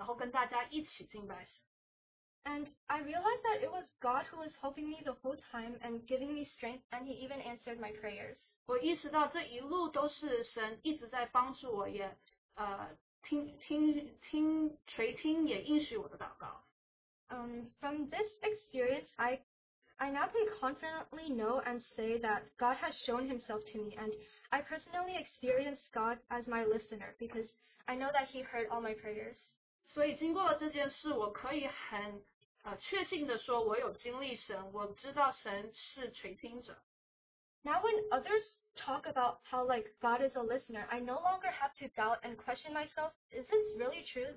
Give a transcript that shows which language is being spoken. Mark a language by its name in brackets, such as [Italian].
[Chinese] 但是不知道为什么，当我们在一起敬拜的时候，我就愿意张开口祷告，也愿意选择诗歌本，然后跟大家一起敬拜。 [English] And I realized that it was God who was helping me the whole time and giving me strength, and he even answered my prayers. [Chinese] 我意识到这一路都是神一直在帮助我，也垂听，也应许我的祷告。 [English] From this experience, I now can confidently know and say that God has shown himself to me, and I personally experienced God as my listener, because I know that he heard all my prayers. [Chinese] 所以经过了这件事，我可以很确信地说，我有经历神，我知道神是垂听者。 [English] Now when others talk about how like God is a listener, I no longer have to doubt and question myself, is this really true?